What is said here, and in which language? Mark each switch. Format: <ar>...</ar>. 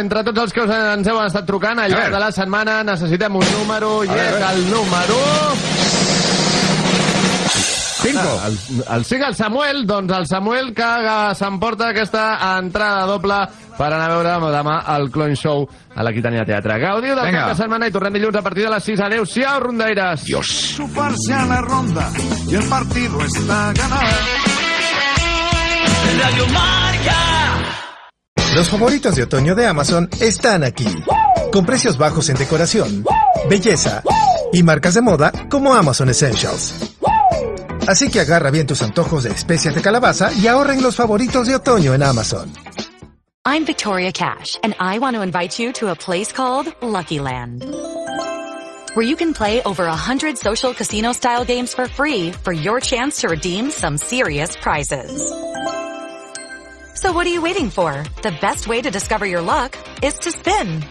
<ca>Entre tots els que ens heu estat trucant al llarg de la setmana, necessitem un número, i és el número... 5. El 5, el Samuel. Doncs el Samuel que s'emporta aquesta entrada doble per anar a veure demà el Clone Show a l'Aquitania Teatre. Gaudiu del cap de setmana i tornem dilluns a partir de les 6. Adéu-siau, rondaires.</ca> <es>Adiós. Suparse a la ronda y el partido está ganado. Radio Marca. Los favoritos de otoño de Amazon están aquí. Con precios bajos en decoración, belleza y marcas de moda como Amazon Essentials. Así que agarra bien tus antojos de especias de calabaza y ahorren los favoritos de otoño en Amazon.</es> <en>I'm Victoria Cash, and I want to invite you to a place called Lucky Land. Where you can play over 100 social casino-style games for free for your chance to redeem some serious prizes. So what are you waiting for? The best way to discover your luck is to spin.</en>